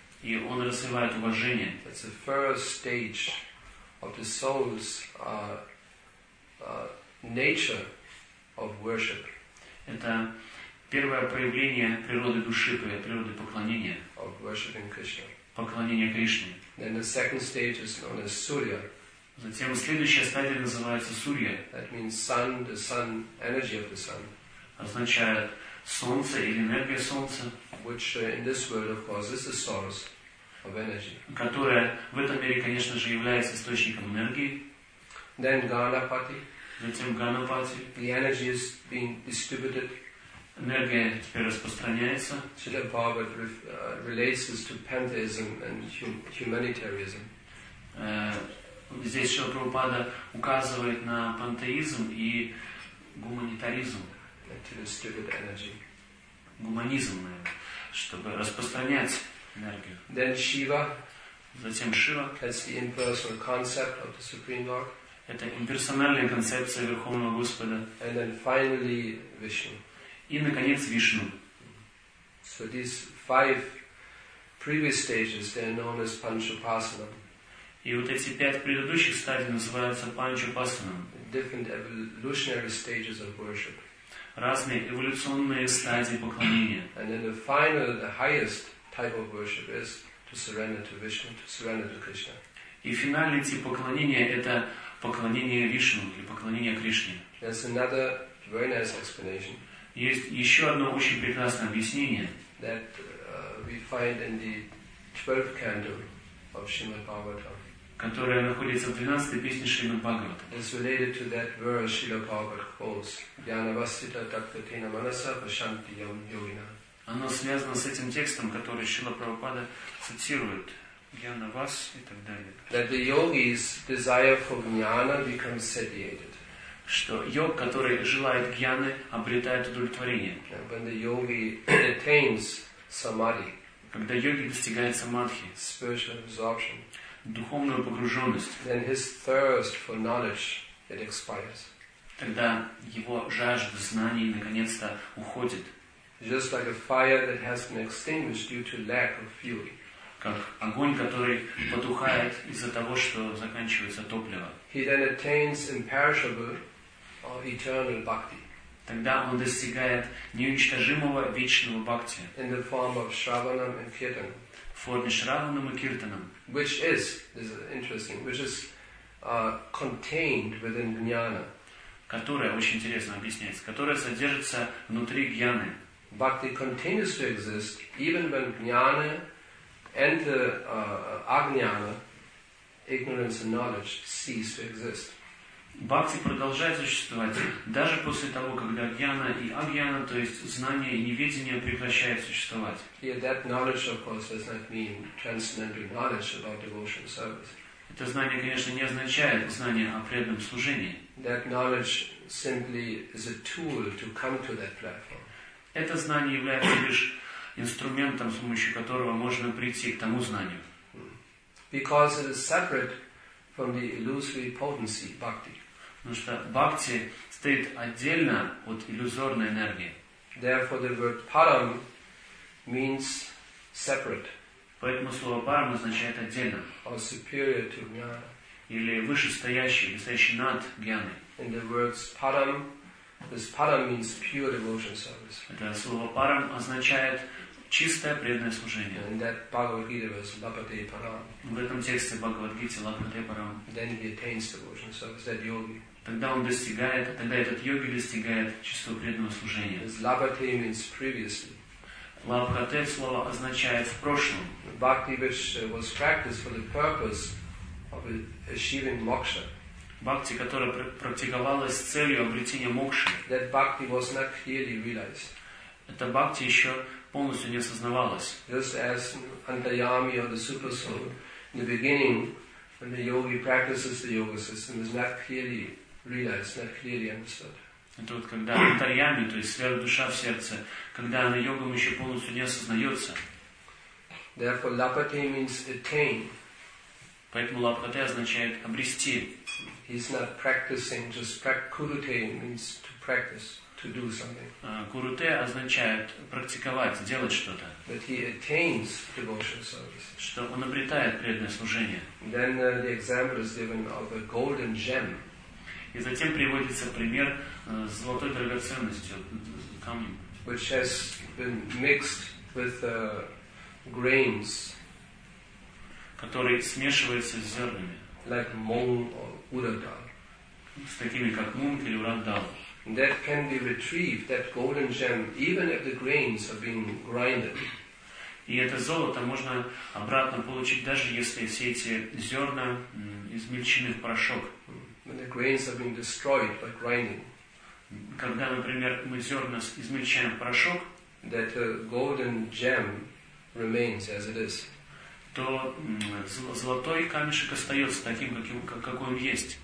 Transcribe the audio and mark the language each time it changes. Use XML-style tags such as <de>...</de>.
<ru>И он развивает уважение.</ru> <en>That's the first stage of the soul's nature. Of worship.</en> <ru>Это первое проявление природы души, природы поклонения.</ru> <en>Of worshiping Krishna.</en> <ru>Поклонение Кришне.</ru> <en>Then the second stage is known as Surya.</en> <ru>Затем следующая стадия называется Сурья.</ru> <en>That means sun, the sun, energy of the sun.</en> <ru>Означает солнце или энергия солнца.</ru> <en>Which in this world, of course, is the source of energy.</en> <ru>Которая в этом мире, конечно же, является источником энергии.</ru> <en>Then Ganapati.</en> <ru>Затем Ганапати.</ru> <en>The energy is being distributed.</en> <ru>Энергия теперь распространяется.</ru> <en>Srila Prabhupada relates this to pantheism and humanitarianism.</en> <ru>Здесь Srila Prabhupada указывает на пантеизм и гуманитаризм.</ru> <en>To distribute energy.</en> <ru>Гуманизм, наверное, чтобы распространять энергию.</ru> <en>Then Shiva.</en> <ru>Затем Шива.</ru> <en>That's the impersonal concept of the Supreme Lord.</en> <ru>Это имперсональная концепция Верховного Господа.</ru> <en>And then finally, Vishnu.</en> <ru>И, наконец, Вишну.</ru> <en>So these five previous stages, they are known as Panchopasana.</en> <ru>И вот эти пять предыдущих стадий называются Панчопасана.</ru> <en>Different evolutionary stages of worship.</en> <ru>Разные эволюционные стадии поклонения.</ru> <en>And then the final, the highest type of worship is to surrender to Vishnu, to surrender to Krishna.</en> <ru>И финальный тип поклонения — это поклонение Вишну или поклонение Кришне.</ru> <en>There's another very nice explanation.</en> <ru>Есть еще одно очень прекрасное объяснение.</ru> <en>That we find in the 12th canto of Srimad Bhagavatam.</en> <ru>Которое находится в 12-й песне Шримад Бхагаватам.</ru> <en>It's related to that verse Srila Prabhupada quotes.</en> <sa>Dhyanavasthita taktatena manasa vashanti yam yogina.</sa> <ru>Оно связано с этим текстом, который Шрила Прабхупада цитирует.</ru> <sa>Jnana vas</sa> <ru>и так далее.</ru> <en>That the yogi's desire for jnana becomes satiated.</en> <ru>Что йог, который желает jnana, обретает удовлетворение.</ru> <en>When the yogi attains samadhi.</en> <ru>Когда йоги достигает самадхи.</ru> <en>Spiritual absorption.</en> <ru>Духовную погруженность.</ru> <en>Then his thirst for knowledge it expires.</en> <ru>Тогда его жажда знаний наконец-то уходит.</ru> <en>Just like a fire that has been extinguished due to lack of fuel.</en> <ru>Как огонь, который потухает из-за того, что заканчивается топливо.</ru> <en>He then attains imperishable or eternal bhakti.</en> <ru>Тогда он достигает неуничтожимого вечного бхакти.</ru> <en>In the form of shravanam and kirtanam.</en> <ru>В форме шраванам и киртанам.</ru> <en>Which is interesting, which is contained within jnana.</en> <ru>которая, очень интересно объясняется, которая содержится внутри гьяны.</ru> <en>But it continues to exist even when gnana and the agnana, ignorance and knowledge, cease to exist.</en> <ru>Бхакти продолжает существовать даже после того, когда гьяна и агьяна, то есть знание и неведение, прекращают существовать.</ru> <en>Yeah, that knowledge, of course, does not mean transcendental knowledge about devotional service.</en> <ru>Это знание, конечно, не означает знание о преданном служении.</ru> <en>That knowledge simply is a tool to come to that platform.</en> <ru>Это знание является лишь инструментом, с помощью которого можно прийти к тому знанию.</ru> <en>Because it is separate from the illusory potency, bhakti.</en> <ru>Потому что бхакти стоит отдельно от иллюзорной энергии.</ru> <en>Therefore, the word param means separate.</en> <ru>Поэтому слово param означает отдельно.</ru> <en>Or superior to jnana.</en> <ru>Или вышестоящий, стоящий над гьяной.</ru> <en>In the words param, this param means pure devotion service.</en> <ru>Это слово param означает чистое преданное служение.</ru> <en>In that Bhagavad Gita verse, Lapate Param.</en> <ru>В этом тексте Бхагавад Гите Лапате Парам.</ru> <en>Then he attains devotion service, that yogi.</en> <ru>Тогда этот йоги достигает чистого преданного служения.</ru> <en>Lapate means previously.</en> <ru>Лапате слово означает в прошлом.</ru> <en>Bhakti which was practiced for the purpose of achieving moksha.</en> <ru>Бхакти, которая практиковалась с целью обретения мокши.</ru> <en>That bhakti was not clearly realized.</en> <ru>Это бхакти еще полностью не осознавалось.</ru> <en>Just as Antayami or the Super Soul, in the beginning, when the yogi practices the yoga system, is not clearly realized, not clearly understood.</en> <ru>Это вот когда Антайами, то есть святая душа в сердце, когда она йогом еще полностью не осознается.</ru> <en>Therefore, Lapate means attain.</en> <ru>Поэтому Лапате означает обрести.</ru> <en>He's not practicing, just Kurute means to practice. To do something.</en> <ru>Курутэ означает практиковать, делать что-то.</ru> <en>That he attains devotional service.</en> <ru>Что он обретает преданное служение.</ru> <en>Then the example is given of a golden gem.</en> <ru>И затем приводится пример с золотой драгоценностью, камнем.</ru> <en>Which has been mixed with grains.</en> <ru>Который смешивается с зернами.</ru> <en>Like mung or urandal.</en> <ru>С такими как мунг или урандал.</ru> <en>That can be retrieved, that golden gem, even if the grains are being grinded.</en> <ru>И это золото можно обратно получить, даже если все эти зерна измельчены в порошок.</ru> <en>When the grains are being destroyed by grinding.</en> <ru>Когда, например, мы зерна измельчаем в порошок,</ru> <en>that golden gem remains as it is.</en> <ru>То золотой камешек остается таким, какой он есть.</ru>